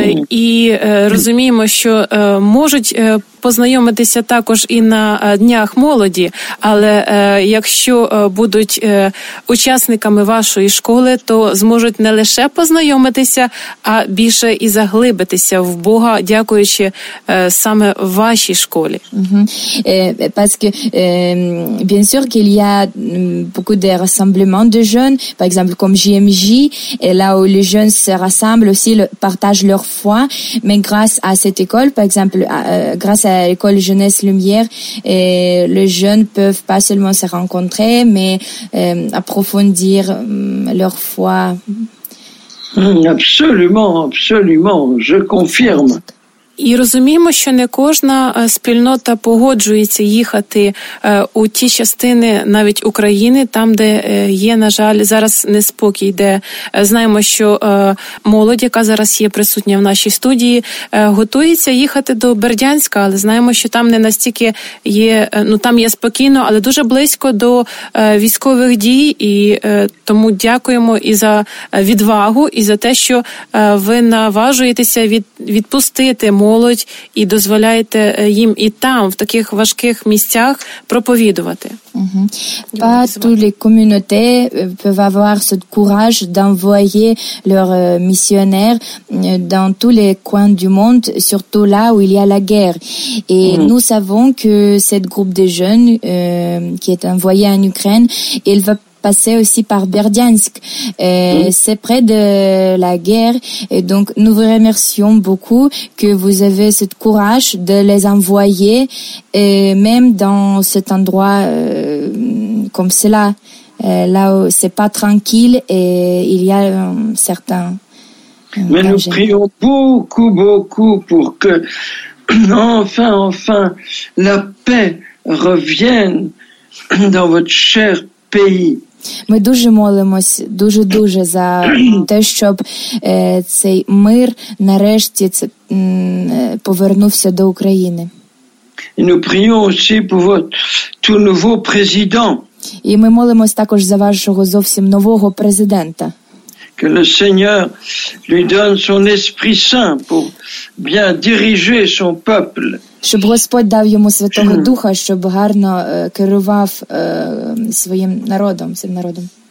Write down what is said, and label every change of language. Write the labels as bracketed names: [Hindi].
[Ukrainian] І розуміємо, що можуть познайомитися також і на днях молоді, але якщо будуть учасниками вашої школи, то зможуть не лише познайомитися, а більше і заглибитися в Бога, дякуючи саме вашій школі. [French] Parce que bien sûr qu'il y a beaucoup de rassemblements de jeunes, par exemple comme JMJ, et là où les jeunes se rassemblent aussi le partage leur foi, mais grâce à cette école, par exemple, grâce à l'école Jeunesse Lumière, les jeunes peuvent pas seulement se rencontrer, mais approfondir leur foi. Absolument, absolument, je confirme. [Ukrainian] І розуміємо, що не кожна спільнота погоджується їхати у ті частини навіть України, там, де є, на жаль, зараз неспокій, де знаємо, що молодь, яка зараз є присутня в нашій студії, готується їхати до Бердянська, але знаємо, що там не настільки є, ну, там є спокійно, але дуже близько до військових дій, і тому дякуємо і за відвагу, і за те, що ви наважуєтеся відпустити молодь і дозволяєте їм і там, в таких важких місцях, проповідувати. [French] Pas toutes les communautés peuvent avoir ce courage d'envoyer leurs missionnaires dans tous les coins du monde, surtout là où il y a la guerre. Et nous savons que cette groupe de jeunes qui est envoyé en Ukraine, il va passer aussi par Berdiansk. C'est près de la guerre. Et donc, nous vous remercions beaucoup que vous avez ce courage de les envoyer, et même dans cet endroit comme cela, là où c'est pas tranquille et il y a certains. Mais nous prions beaucoup, beaucoup pour que enfin, la paix revienne dans votre cher pays. [Ukrainian] Ми дуже молимось, дуже-дуже за те, щоб цей мир нарешті повернувся до України. [French] Et nous prions aussi pour votre tout nouveau président. [Ukrainian] І ми молимось також за вашого зовсім нового президента. [French] Que le Seigneur lui donne son Esprit Saint pour bien diriger son peuple. [Ukrainian] Щоб Господь дав йому Святого Духа, щоб гарно керував своїм народом, цим народом.